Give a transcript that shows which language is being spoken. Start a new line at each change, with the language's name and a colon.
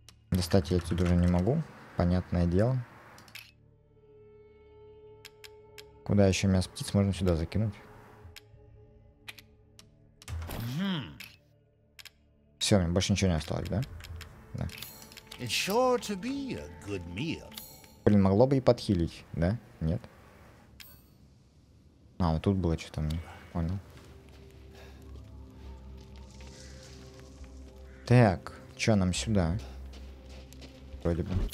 Russian: Достать я отсюда уже не могу, понятное дело. Куда еще мясо птиц можно сюда закинуть? Mm-hmm. Все, мне больше ничего не осталось, да? Да.
English: It's sure to be a good meal.
Russian: Блин, могло бы и подхилить, да? Нет? А, вот тут было что-то, не понял. Так, чё нам сюда? Вроде бы.